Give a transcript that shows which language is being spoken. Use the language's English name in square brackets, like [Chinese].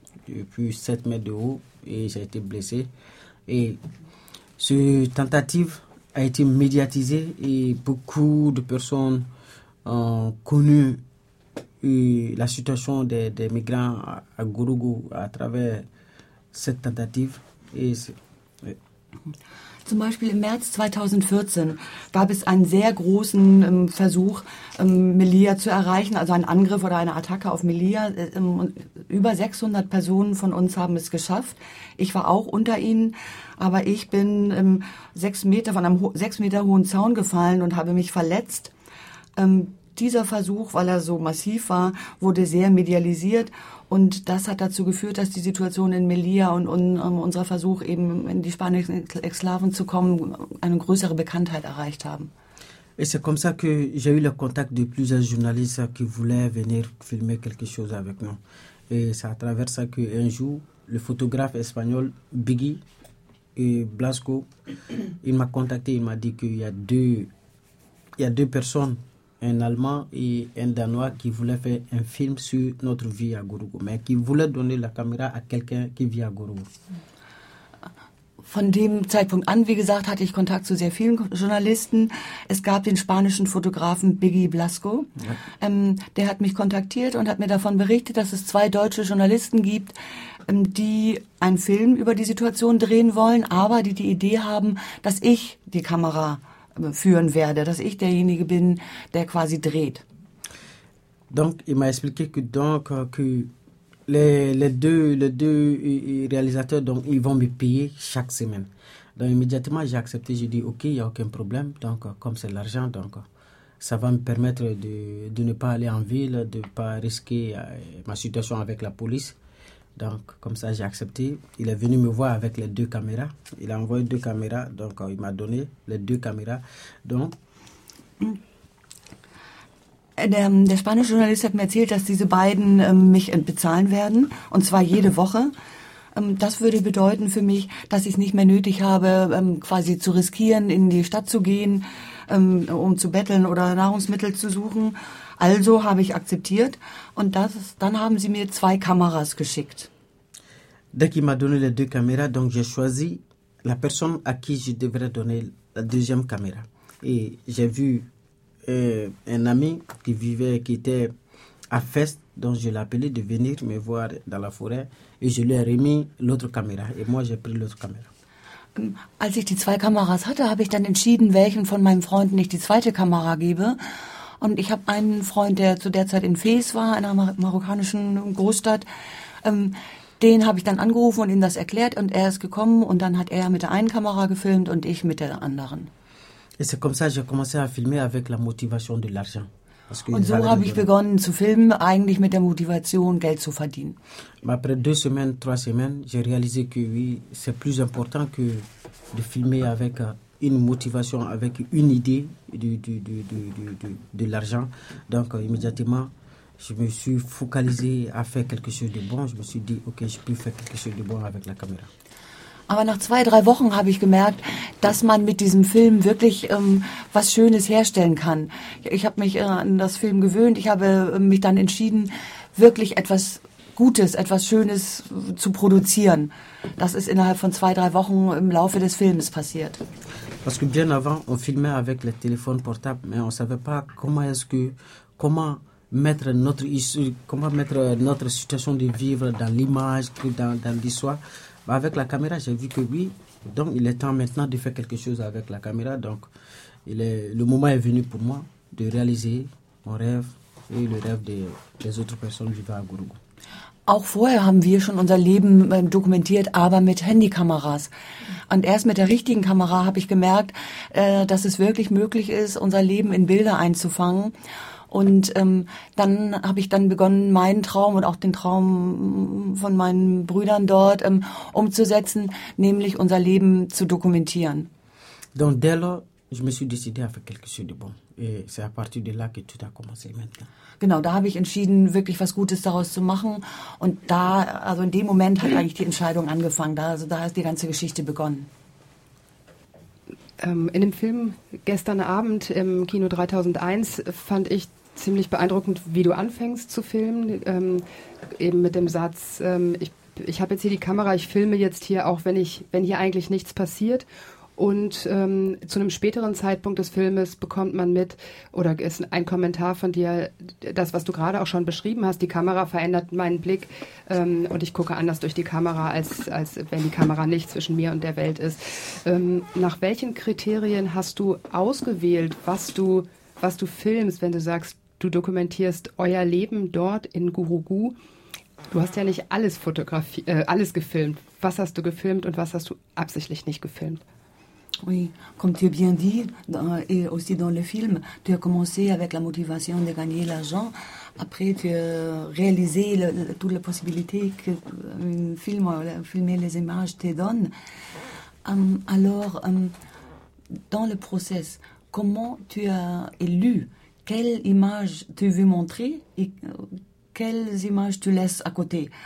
[French] Depuis 7 mètres de haut et j'ai été blessé. Et cette tentative a été médiatisée et beaucoup de personnes ont connu la situation des migrants à Gourougou à travers cette tentative. Et [German] Zum Beispiel im März 2014 gab es einen sehr großen Versuch, Melilla zu erreichen, also einen Angriff oder eine Attacke auf Melilla. Über 600 Personen von uns haben es geschafft. Ich war auch unter ihnen, aber ich bin von einem 6 Meter hohen Zaun gefallen und habe mich verletzt. Dieser Versuch, weil er so massiv war, wurde sehr medialisiert. Und das hat dazu geführt, dass die Situation in Melilla und unser Versuch, eben in die spanischen Exklaven zu kommen, eine größere Bekanntheit erreicht haben. [French] Et c'est comme ça que j'ai eu le contact de plusieurs journalistes qui voulaient venir filmer quelque chose avec nous. Et c'est à travers ça qu'un jour, le photographe espagnol Biggie et Blasco, il m'a contacté, il m'a dit il y a deux personnes, un Allemand et un Danois, qui voulaient faire un film sur notre vie à Gourougou, mais qui voulaient donner la caméra à quelqu'un qui vit à Gourougou. [German] Von dem Zeitpunkt an, wie gesagt, hatte ich Kontakt zu sehr vielen Journalisten. Es gab den spanischen Fotografen Biggie Blasco. Der hat mich kontaktiert und hat mir davon berichtet, dass es zwei deutsche Journalisten gibt, die einen Film über die Situation drehen wollen, aber die Idee haben, dass ich die Kamera führen werde, dass ich derjenige bin, der quasi dreht. [French] Donc, il m'a expliqué que les deux réalisateurs, donc, ils vont me payer chaque semaine. Donc, immédiatement, j'ai accepté. J'ai dit, OK, il n'y a aucun problème. Donc, comme c'est l'argent, donc, ça va me permettre de ne pas aller en ville, de ne pas risquer ma situation avec la police. Donc, comme ça, j'ai accepté. Il est venu me voir avec les deux caméras. Il a envoyé deux caméras. Donc, il m'a donné les deux caméras. Donc, [German] Der spanische Journalist hat mir erzählt, dass diese beiden mich bezahlen werden, und zwar jede Woche. Das würde bedeuten für mich, dass ich es nicht mehr nötig habe, quasi zu riskieren, in die Stadt zu gehen, um zu betteln oder Nahrungsmittel zu suchen. Also habe ich akzeptiert und dann haben sie mir zwei Kameras geschickt. [French] Dès qu'il m'a donné les deux caméras, donc j'ai choisi la personne à qui je devrais donner la deuxième caméra. Et j'ai vu un ami qui vivait, qui était à Fest, donc je l'ai appelé de venir me voir dans la forêt et je lui ai remis l'autre caméra et moi j'ai pris l'autre caméra. [German] Als ich die zwei Kameras hatte, habe ich dann entschieden, welchen von meinen Freunden ich die zweite Kamera gebe. Und ich habe einen Freund, der zu der Zeit in Fez war, einer marokkanischen Großstadt, den habe ich dann angerufen und ihm das erklärt und er ist gekommen und dann hat er mit der einen Kamera gefilmt und ich mit der anderen. [French] Et c'est comme ça que j'ai commencé à filmer avec la motivation de l'argent. [German] Und so habe ich begonnen zu filmen, eigentlich mit der Motivation, Geld zu verdienen. [French] Après deux semaines, trois semaines, j'ai réalisé que oui, c'est plus important que de filmer avec une motivation, avec une idée de l'argent. Donc immédiatement, je me suis focalisé à faire quelque chose de bon. Je me suis dit, ok, je peux faire quelque chose de bon avec la caméra. [German] Aber nach zwei, drei Wochen habe ich gemerkt, dass man mit diesem Film wirklich was Schönes herstellen kann. Ich habe mich an das Film gewöhnt. Ich habe mich dann entschieden, wirklich etwas Gutes, etwas Schönes zu produzieren. Das ist innerhalb von zwei, drei Wochen im Laufe des Films passiert. [French] Parce que bien avant, on filmait avec le téléphone portable, mais on savait pas comment est-ce que, comment mettre notre situation de vivre dans l'image, dans l'histoire. Avec la caméra, j'ai vu que oui, donc il est temps maintenant de faire quelque chose avec la caméra. Donc, le moment est venu pour moi de réaliser mon rêve et le rêve des autres personnes vivant à Gourougou. [German] Auch vorher haben wir schon unser Leben dokumentiert, aber mit Handykameras. Und erst mit der richtigen Kamera habe ich gemerkt, dass es wirklich möglich ist, unser Leben in Bilder einzufangen. Und dann habe ich dann begonnen, meinen Traum und auch den Traum von meinen Brüdern dort umzusetzen, nämlich unser Leben zu dokumentieren. [French] Donc dès lors, je me suis décidé à faire quelque chose de bon. Et c'est à partir de là que tout a commencé maintenant. [German] Genau, da habe ich entschieden, wirklich was Gutes daraus zu machen. Und da, also in dem Moment hat eigentlich die Entscheidung angefangen. Da ist die ganze Geschichte begonnen. In dem Film gestern Abend im Kino 3001 fand ich ziemlich beeindruckend, wie du anfängst zu filmen, eben mit dem Satz, ich habe jetzt hier die Kamera, ich filme jetzt hier, auch wenn hier eigentlich nichts passiert. Und zu einem späteren Zeitpunkt des Filmes bekommt man mit, oder ist ein Kommentar von dir, das, was du gerade auch schon beschrieben hast, die Kamera verändert meinen Blick und ich gucke anders durch die Kamera, als wenn die Kamera nicht zwischen mir und der Welt ist. Nach welchen Kriterien hast du ausgewählt, was du filmst, wenn du sagst, du dokumentierst euer Leben dort in Gourougou? Du hast ja nicht alles alles gefilmt. Was hast du gefilmt und was hast du absichtlich nicht gefilmt? [French] Oui, comme tu as bien dit, et aussi dans le film, tu as commencé avec la motivation de gagner l'argent. Après, tu as réalisé toutes les possibilités que filmer les images te donne. Dans le process, comment tu as élu quelle image tu veux montrer et quelles images tu laisses à côté?